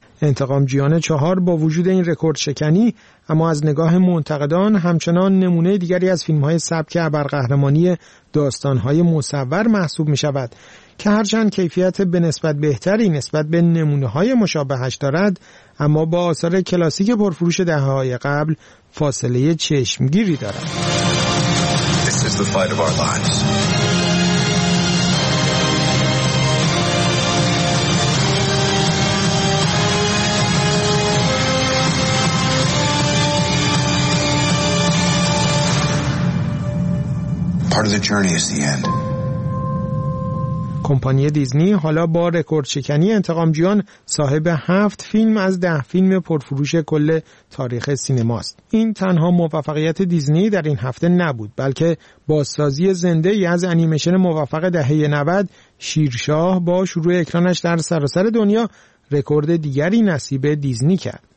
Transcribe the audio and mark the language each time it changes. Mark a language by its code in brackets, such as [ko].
[fa] انتقام جویان 4 با وجود این رکورد شکنی، اما از نگاه منتقدان همچنان نمونه دیگری از فیلم‌های سبک ابرقهرمانی داستان‌های مصور محسوب می‌شود که هرچند کیفیت به نسبت بهتری نسبت به نمونه های مشابهش دارد، اما با آثار کلاسیک پرفروش دهه های قبل فاصله چشمگیری دارد. [en] This is the fight of our lives. Part of the journey is the end. [fa] کمپانی دیزنی حالا با رکوردشکنی انتقام جویان صاحب 7 فیلم از 10 فیلم پرفروش کل تاریخ سینماست. این تنها موفقیت دیزنی در این هفته نبود، بلکه بازسازی زنده ای از انیمیشن موفق دهه 90 شیرشاه با شروع اکرانش در سراسر دنیا رکورد دیگری نصیب دیزنی کرد.